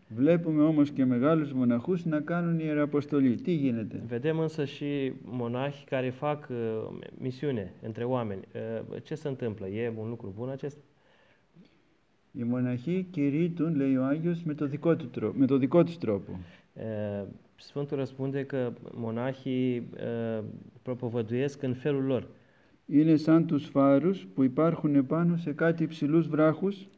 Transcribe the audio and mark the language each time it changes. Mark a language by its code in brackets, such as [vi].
[el] Βλέπουμε όμως και μεγάλους μοναχούς να κάνουν ιεραποστολή. Τι γίνεται? [ro] Vedem însă și monahi care fac misiune între oameni. Ce se întâmplă? E un lucru bun acesta? [el] Οι μοναχοί κηρύττουν, λέει ο Άγιος, με το δικό τους τρόπο. [ro] Sfântul răspunde că monahii propovăduiesc în felul lor. [el] Είναι σαν τους φάρους που υπάρχουν επάνω σε κάτι ψηλούς βράχους.